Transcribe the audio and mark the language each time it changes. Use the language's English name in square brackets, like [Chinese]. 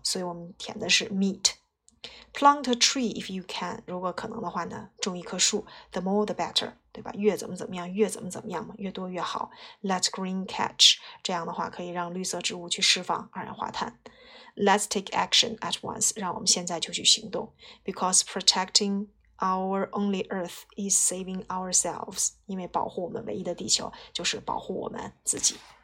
[Chinese] 所以我们填的是 [English] meat。Plant a tree if you can. [Chinese] 如果可能的话呢，种一棵树。 [English] The more the better, 对吧？ [Chinese] 越怎么怎么样，越怎么怎么样嘛，越多越好。 [English] Let green catch. [Chinese] 这样的话可以让绿色植物去释放二氧化碳。 [English] Let's take action at once. [Chinese] 让我们现在就去行动。 [English] Because protecting our only earth is saving ourselves. [Chinese] 因为保护我们唯一的地球就是保护我们自己。